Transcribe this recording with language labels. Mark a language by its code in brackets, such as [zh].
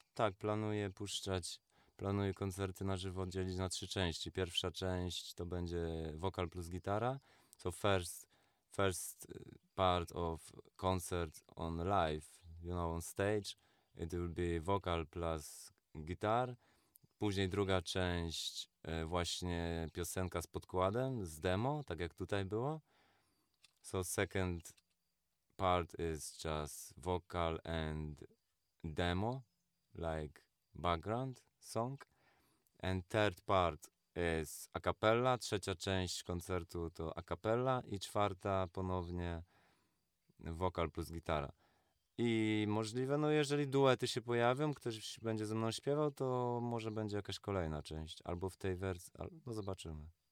[pl] Tak, planuję puszczać, planuję koncerty na żywo dzielić na trzy części. Pierwsza część to będzie wokal plus gitara. [en] So first part of concert on live, you know, on stage, it will be vocal plus guitar. [pl] Później druga część, właśnie piosenka z podkładem, z demo, tak jak tutaj było. [en] So second part is just vocal and demo, like background song. And third part is a cappella. [pl] Trzecia część koncertu to a cappella. I czwarta ponownie wokal plus gitara. I możliwe, no jeżeli duety się pojawią, ktoś będzie ze mną śpiewał, to może będzie jakaś kolejna część. Albo w tej wersji, no zobaczymy.